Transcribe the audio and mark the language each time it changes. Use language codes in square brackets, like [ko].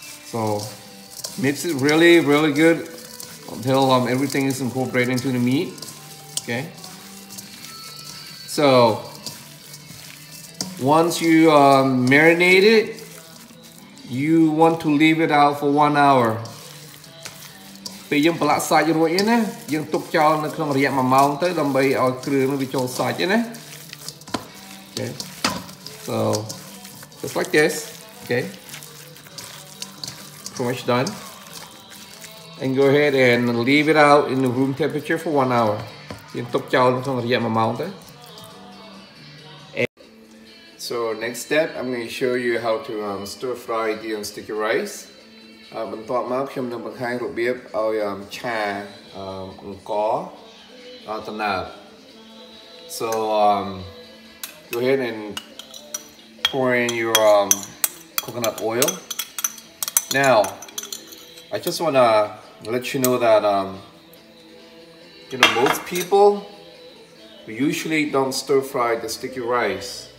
[en] So, mix it really, really good until everything is incorporated into the meat. Okay. So once you marinate it, you want to leave it out for 1 hour. [km] ពេលយើងប្រឡាក់សាច់រួចហើយណាយើងទុកចោលនៅក្នុងរយៈ1ម៉ោងទៅដើម្បីឲ្យគ្រឿងវាចូលសាច់ហើយណា Okay. [en] So just like this. Okay. Pretty much done. And go ahead and leave it out in the room temperature for 1 hour. [km] យើងទុកចោលនៅក្នុងរយៈ1ម៉ោងទៅ [en] So next step, I'm going to show you how to stir fry the sticky rice. [km] បន្ទាប់មកខ្ញុំនឹងបង្ហាញរបៀបឲ្យឆាអង្ករដល់ត្នោត [en] So go ahead and pour in your coconut oil. Now I just want to let you know that you know most people we usually don't stir fry the sticky rice.